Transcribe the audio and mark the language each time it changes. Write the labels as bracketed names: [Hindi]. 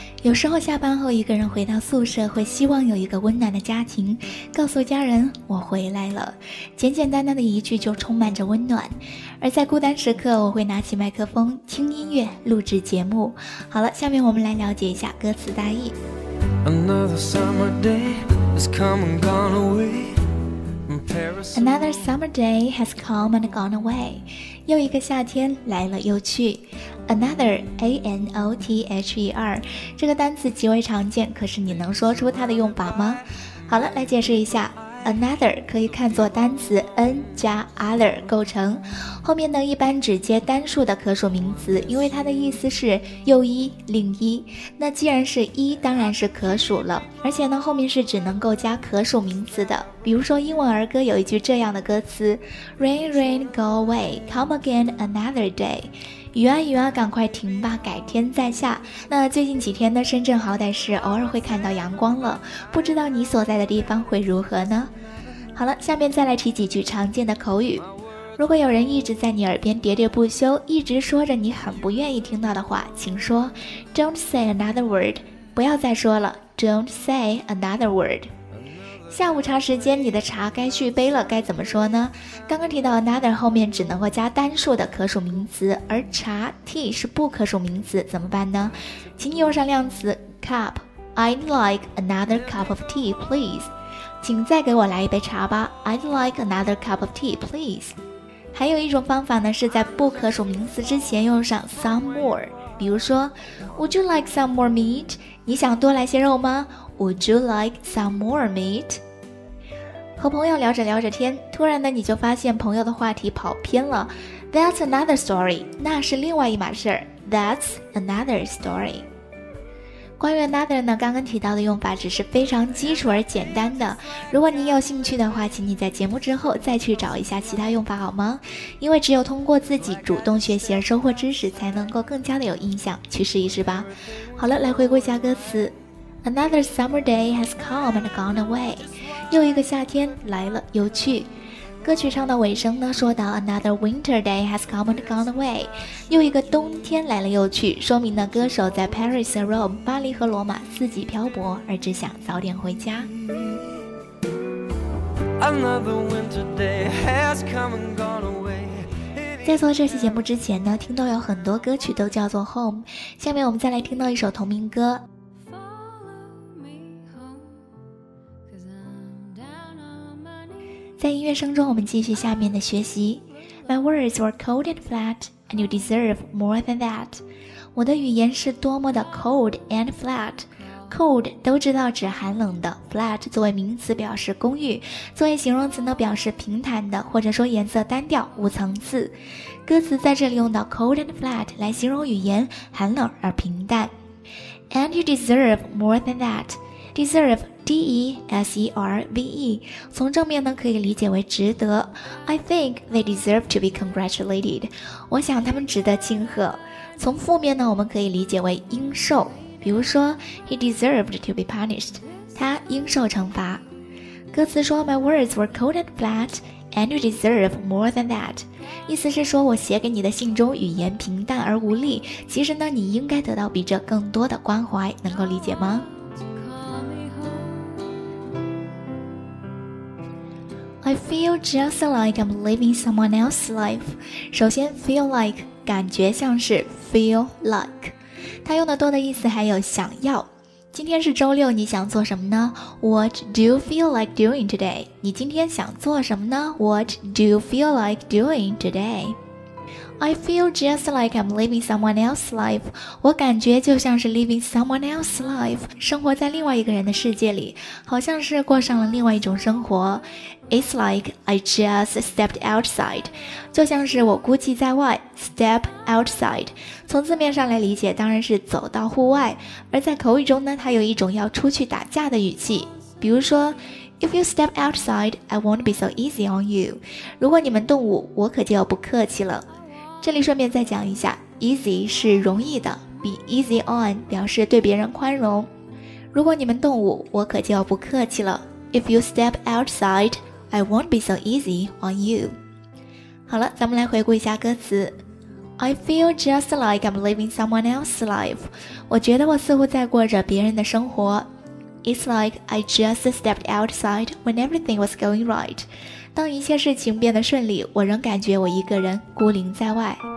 [Chinese] 有时候下班后一个人回到宿舍，会希望有一个温暖的家庭，告诉家人我回来了。简简单单的一句就充满着温暖。而在孤单时刻，我会拿起麦克风听音乐，录制节目。好了，下面我们来了解一下歌词大意。 [English] Another summer day has come and gone away. Another summer day has come and gone away. [Chinese] 又一个夏天来了又去。 Another, A-N-O-T-H-E-R, 这个单词极为常见，可是你能说出它的用法吗？好了，来解释一下。Another 可以看作单词 N 加 other 构成，后面呢一般只接单数的可数名词，因为它的意思是又一另一。那既然是一，当然是可数了，而且呢后面是只能够加可数名词的。比如说英文儿歌有一句这样的歌词 [English] Rain rain go away, come again another day。 [Chinese] 雨啊雨啊，赶快停吧，改天再下。那最近几天呢，深圳好歹是偶尔会看到阳光了，不知道你所在的地方会如何呢？好了，下面再来提几句常见的口语。如果有人一直在你耳边喋喋不休，一直说着你很不愿意听到的话，请说 [English] Don't say another word, [Chinese] 不要再说了 Don't say another word。下午茶时间，你的茶该续杯了，该怎么说呢？刚刚提到 another 后面只能够加单数的可数名词，而茶 tea 是不可数名词，怎么办呢？请你用上量词 cup [English] I'd like another cup of tea, please. [Chinese] 请再给我来一杯茶吧。 [English] I'd like another cup of tea, please. [Chinese] 还有一种方法呢，是在不可数名词之前用上 some more。 [English] 比如说 ,Would you like some more meat? [Chinese] 你想多来些肉吗 [English] ?Would you like some more meat? [Chinese] 和朋友聊着聊着天，突然呢你就发现朋友的话题跑偏了。 [English] That's another story, [Chinese] 那是另外一码事。 [English] That's another story。 [Chinese] 关于 another 呢，刚刚提到的用法只是非常基础而简单的。如果你有兴趣的话，请你在节目之后再去找一下其他用法好吗？因为只有通过自己主动学习而收获知识，才能够更加的有印象，去试一试吧。好了，来回顾一下歌词。 [English] Another summer day has come and gone away， [Chinese] 又一个夏天来了又去。歌曲唱到尾声呢，说到 [English] another winter day has come and gone away， [Chinese] 又一个冬天来了又去，说明呢歌手在 Paris and Rome 巴黎和罗马四季漂泊，而只想早点回家。 [English] Another winter day has come and gone away。 [Chinese] 在做这期节目之前呢，听到有很多歌曲都叫做 home， 下面我们再来听到一首同名歌。在音乐声中，我们继续下面的学习。 [English] My words were cold and flat, and you deserve more than that. [Chinese] 我的语言是多么的 [English] cold and flat. [Chinese] Cold 都知道指寒冷的， flat 作为名词表示公寓，作为形容词呢表示平坦的，或者说颜色单调无层次。歌词在这里用到 cold and flat 来形容语言寒冷而平淡。 [English] And you deserve more than that. Deserve。 [Chinese] D-E-S-E-R-V-E 从正面呢可以理解为值得。 [English] I think they deserve to be congratulated， [Chinese] 我想他们值得庆贺。从负面呢我们可以理解为应受，比如说 [English] He deserved to be punished， [Chinese] 他应受惩罚。歌词说 [English] My words were cold and flat and you deserve more than that， [Chinese] 意思是说我写给你的信中语言平淡而无力，其实呢你应该得到比这更多的关怀，能够理解吗？ [English] I feel just like I'm living someone else's life. [Chinese] 首先 feel like 感觉像是 feel like， 它用的多的意思还有想要。今天是周六，你想做什么呢？ [English] What do you feel like doing today? [Chinese] 你今天想做什么呢？ [English] What do you feel like doing today? I feel just like I'm living someone else's life. [Chinese] 我感觉就像是 [English] living someone else's life， [Chinese] 生活在另外一个人的世界里，好像是过上了另外一种生活。 [English] It's like I just stepped outside， [Chinese] 就像是我孤寂在外。 Step outside 从字面上来理解当然是走到户外，而在口语中呢它有一种要出去打架的语气，比如说 [English] If you step outside I won't be so easy on you， [Chinese] 如果你们动武我可就不客气了。这里顺便再讲一下， easy 是容易的， be easy on 表示对别人宽容，如果你们动武我可就不客气了。 [English] If you step outside, I won't be so easy on you. [Chinese] 好了，咱们来回顾一下歌词。 [English] I feel just like I'm living someone else's life. [Chinese] 我觉得我似乎在过着别人的生活。 [English] It's like I just stepped outside when everything was going right. [Chinese] 当一切事情变得顺利，我仍感觉我一个人孤零在外。